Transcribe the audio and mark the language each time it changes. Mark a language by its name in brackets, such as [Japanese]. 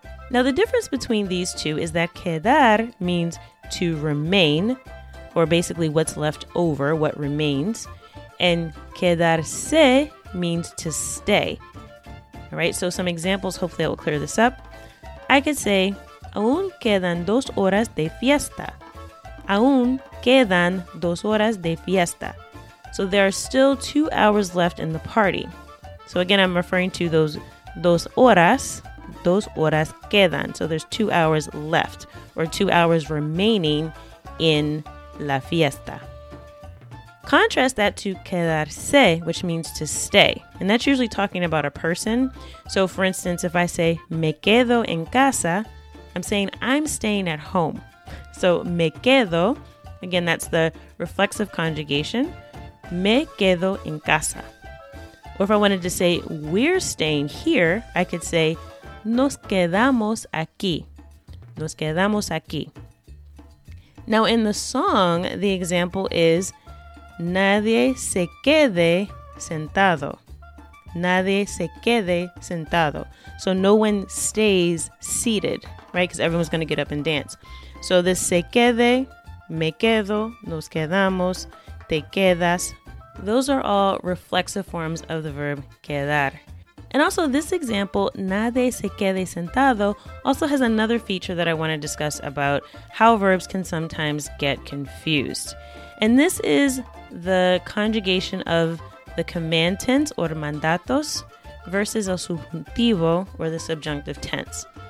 [English] Now the difference between these two is that quedar means to remain, or basically what's left over, what remains, and quedarse means to stay. All right, so some examples, hopefully I will clear this up. I could say, [Spanish] aún quedan dos horas de fiesta. Aún quedan dos horas de fiesta. [English] So there are still 2 hours left in the party. So again, I'm referring to those [Spanish] dos horas quedan. [English] So there's 2 hours left or 2 hours remaining in la fiesta. Contrast that to quedarse, which means to stay. And that's usually talking about a person. So for instance, if I say [Spanish] me quedo en casa, [English] I'm saying I'm staying at home. So me quedo, again, that's the reflexive conjugation. Me quedo en casa. Or if I wanted to say, we're staying here, I could say, [Spanish] nos quedamos aquí. [English] Nos quedamos aquí. Now in the song, the example is, [Spanish] nadie se quede sentado. [English] Nadie se quede sentado. So no one stays seated, right? Because everyone's going to get up and dance. So the [Spanish] se quede, me quedo, nos quedamos, te quedas. [English] Those are all reflexive forms of the verb quedar. And also this example, [Spanish] nadie se quede sentado, [English] also has another feature that I want to discuss about how verbs can sometimes get confused. And this is the conjugation of the command tense or [Spanish] mandatos versus el subjuntivo [English] or the subjunctive tense.